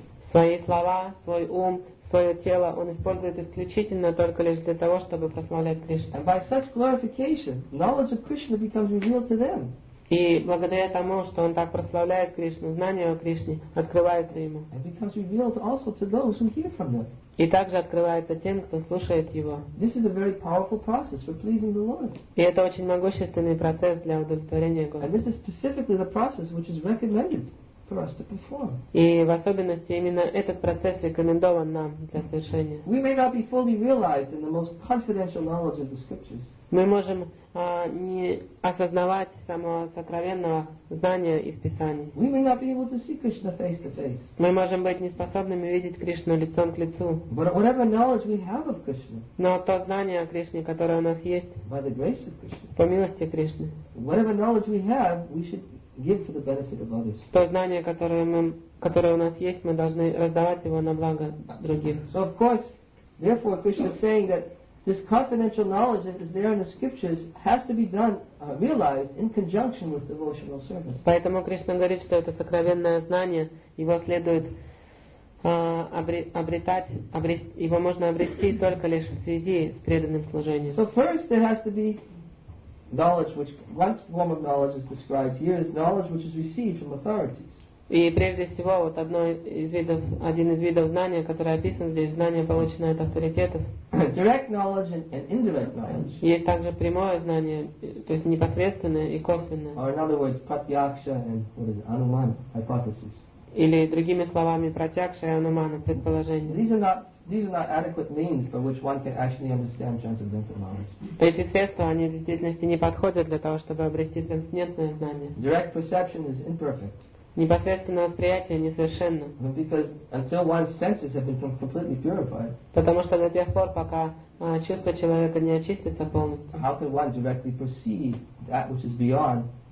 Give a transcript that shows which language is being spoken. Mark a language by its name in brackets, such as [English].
[Russian] Свои слова, свой ум, свое тело он использует исключительно только лишь для того, чтобы прославлять Кришну. [English] And by such glorification, knowledge of Krishna becomes revealed to them. [Russian] И благодаря тому, что он так прославляет Кришну, знание о Кришне открывается ему. [English] And becomes revealed also to those who hear from them. [Russian] И также открывается тем, кто слушает его. [English] This is a very powerful process for pleasing the Lord. [Russian] И это очень могущественный процесс для удовлетворения Господа. [English] And this is specifically the process which is recommended for us to perform. [Russian] И в особенности именно этот процесс рекомендован нам для совершения. [English] We may not be fully realized in the most confidential knowledge of the scriptures. [Russian] Мы можем не осознавать самого сокровенного знания из Писаний. [English] We may not be able to see Krishna face to face. [Russian] Мы можем быть неспособными видеть Кришну лицом к лицу. [English] But whatever knowledge we have of Krishna, [Russian] но то знание о Кришне, которое у нас есть, [English] by the grace of Krishna, [Russian] по милости Кришны, [English] whatever knowledge we have, we should give for the benefit of others. [Russian] То знание, которое у нас есть, мы должны раздавать его на благо других. [English] So of course, therefore, Krishna is saying that this confidential knowledge that is there in the scriptures has to be done, realized in conjunction with devotional service. [Russian] Поэтому Кришна говорит, что это сокровенное знание, его следует обрести, его можно обрести только лишь в связи с преданным служением. [English] So first there has to be knowledge, which one form of knowledge is described here is knowledge which is received from authorities. [Russian] И прежде всего, вот одно из видов, один из видов знания, которое описано здесь, знание, полученное от авторитетов. [English] Direct knowledge and indirect knowledge. [Russian] Есть также прямое знание, то есть непосредственное и косвенное. [English] Or in other words, pratyaksha and what is it, anumana, hypothesis. [Russian] Или другими словами, pratyaksha и anumana, предположение. [English] These are not adequate means by which one can actually understand transcendental knowledge. [Russian] Эти средства, они в действительности не подходят для того, чтобы обрести трансцендентное знание. [English] Direct perception is imperfect. [Russian] Непосредственное восприятие несовершенно. [English] Because until one's senses have been completely purified. [Russian] Потому что до тех пор, пока чувства человека не очистятся полностью. [English] How can one directly perceive that which is beyond